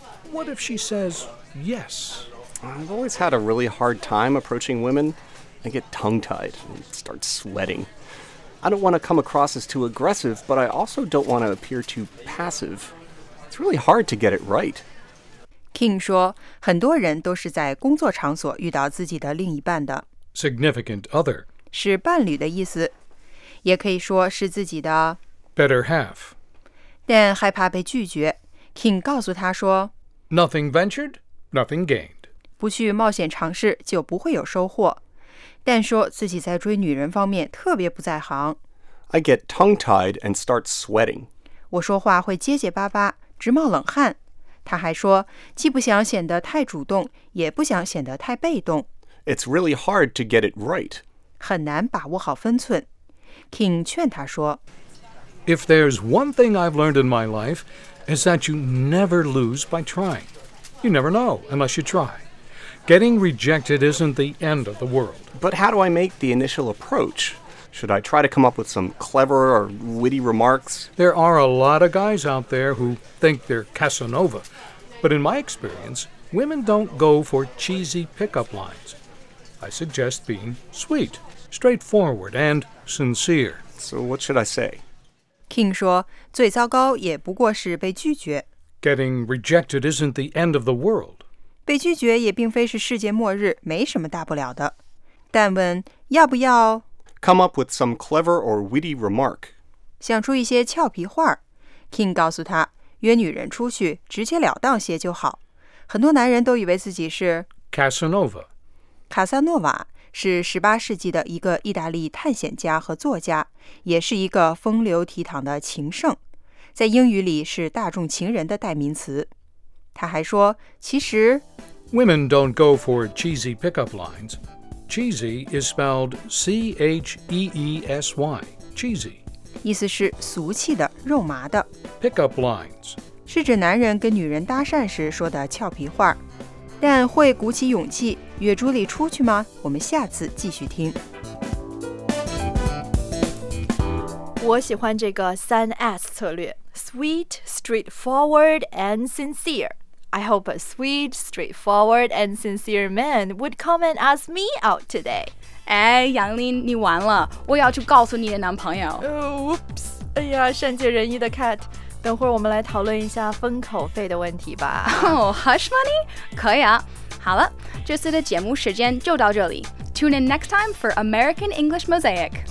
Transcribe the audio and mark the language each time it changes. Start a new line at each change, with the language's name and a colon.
English: What if she says yes? I've always had a really hard time approaching women. I get tongue-tied and start sweating. I don't want to come across as too aggressive, but I also don't want to appear too passive. It's really hard to get it right.
Chinese: King 说很多人都是在工作场所遇到自己的另一半的
English: Significant other
Chinese: 是伴侣的意思也可以说是自己的
English: Better half
Chinese: Dan 害怕被拒绝 King 告诉他说
English: Nothing ventured, nothing gained
Chinese: 不去冒险尝试就不会有收获 Dan 说自己在追女人方面特别不在行
English: I get tongue-tied and start sweating
Chinese: 我说话会结结巴巴直冒冷汗他还说，既不想显得太主动，也不想显得太被动。
English: It's really hard to get it right.
Chinese: 很难把握好分寸。King 劝他说
English: If there's one thing I've learned in my life, is that you never lose by trying. You never know unless you try. Getting rejected isn't the end of the world. But how do I make the initial approach? Should I try to come up with some clever or witty remarks? There are a lot of guys out there who think they're Casanova. But in my experience, women don't go for cheesy pickup lines. I suggest being sweet, straightforward, and sincere. So what should I say?
Chinese: King 说最糟糕也不过是被拒绝。
English: Getting rejected isn't the end of the world.
Chinese: 被拒绝也并非是世界末日没什么大不了的。但问要不要
English: Come up with some clever or witty remark.
Chinese: 想出一些俏皮话。 King 告诉他，约女人出去，直截了当些就好。很多男人都以为自己是
English: Casanova.
Chinese: 卡萨诺瓦是18世纪的一个意大利探险家和作家，也是一个风流倜傥的情圣，在英语里是大众情人的代名词。他还说，其实
English: Women don't go for cheesy pickup lines. Cheesy is spelled C-H-E-E-S-Y, cheesy.
Chinese: 意思是俗气的、肉麻的。
English: Pickup lines.
Chinese: 是指男人跟女人搭讪时说的俏皮话。但会鼓起勇气约朱莉出去吗？我们下次继续听。我喜欢这个三 S 策略
English: Sweet, straightforward, and sincere. I hope a sweet, straightforward, and sincere man would come and ask me out today.
Chinese: 哎，杨林，你完了，我要去告诉你的男朋友。 Oops, 哎呀，善解人意的 Cat, 等会儿我们来讨论一下封口费的问题吧。
English: Oh, hush money?
Chinese: 可以啊。好了，这次的节目时间就到这里。
English: Tune in next time for American English Mosaic.